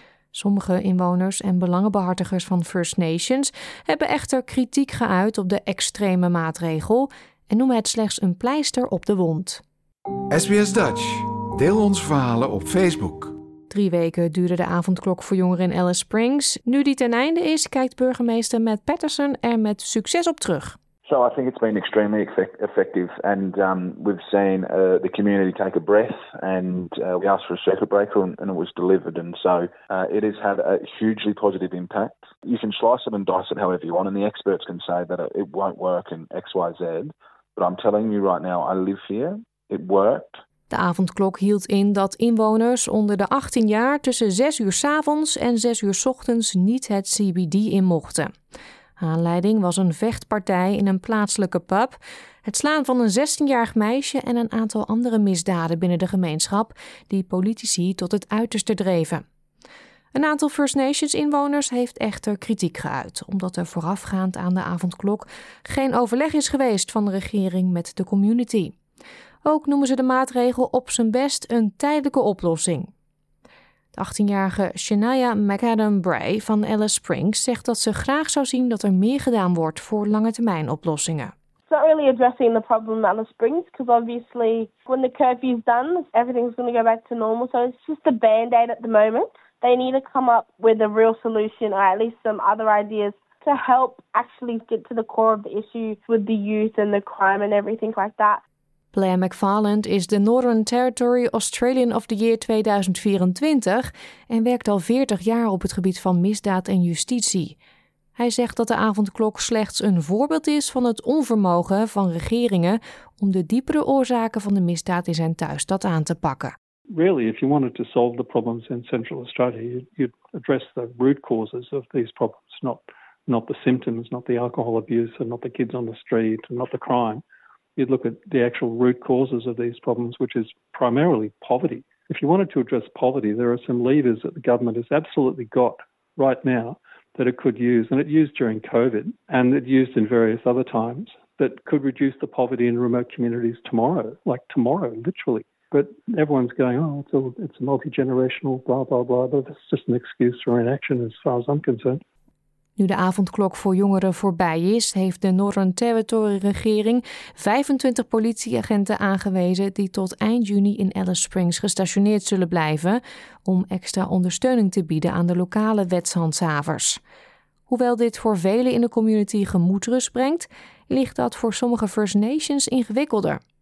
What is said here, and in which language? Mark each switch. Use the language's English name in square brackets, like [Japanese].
[Dutch] Sommige inwoners en belangenbehartigers van First Nations hebben echter kritiek geuit op de extreme maatregel en noemen het slechts een pleister op de wond. SBS Dutch, deel onze verhalen op Facebook. 3 weken duurde de avondklok voor jongeren in Alice Springs. Nu die ten einde is, kijkt burgemeester Matt Patterson er met succes op terug. [English] So I think it's been extremely effective and we've seen the community take a breath and we asked for a circuit breaker and it was delivered and so it has had a hugely positive impact. You can slice it and dice it however you want and the experts can say that it won't work in XYZ, but I'm telling you right now, I live here, it worked. [Dutch] De avondklok hield in dat inwoners onder de 18 jaar tussen 6 uur 's avonds en 6 uur 's ochtends niet het CBD in mochten. Aanleiding was een vechtpartij in een plaatselijke pub, het slaan van een 16-jarig meisje en een aantal andere misdaden binnen de gemeenschap die politici tot het uiterste dreven. Een aantal First Nations inwoners heeft echter kritiek geuit, omdat er voorafgaand aan de avondklok geen overleg is geweest van de regering met de community. Ook noemen ze de maatregel op zijn best een tijdelijke oplossing. De 18-jarige Shania McAdam Bray van Alice Springs zegt dat ze graag zou zien dat er meer gedaan wordt voor lange termijn oplossingen. [English] It's not really addressing the problem in Alice Springs, because obviously when the curfew is done, everything's going to go back to normal. So it's just a band-aid at the moment. They need to come up with a real solution or at least some other ideas to help actually get to the core of the issue with the youth and the crime and everything like that. [Dutch] Blair McFarland is de Northern Territory Australian of the Year 2024 en werkt al 40 jaar op het gebied van misdaad en justitie. Hij zegt dat de avondklok slechts een voorbeeld is van het onvermogen van regeringen om de diepere oorzaken van de misdaad in zijn thuisstad aan te pakken. [English] Really, if you wanted to solve the problems in Central Australia, you'd address the root causes of these problems, not the symptoms, not the alcohol abuse, and not the kids on the street, and not the crime. You'd look at the actual root causes of these problems, which is primarily poverty. If you wanted to address poverty, there are some levers that the government has absolutely got right now that it could use, and it used during COVID, and it used in various other times, that could reduce the poverty in remote communities tomorrow, like tomorrow, literally. But everyone's going, oh, it's multi-generational, blah, blah, blah, but it's just an excuse for inaction as far as I'm concerned. [Dutch] Nu de avondklok voor jongeren voorbij is, heeft de Northern Territory-regering 25 politieagenten aangewezen die tot eind juni in Alice Springs gestationeerd zullen blijven om extra ondersteuning te bieden aan de lokale wetshandhavers. Hoewel dit voor velen in de community gemoedsrust brengt, ligt dat voor sommige First Nations ingewikkelder.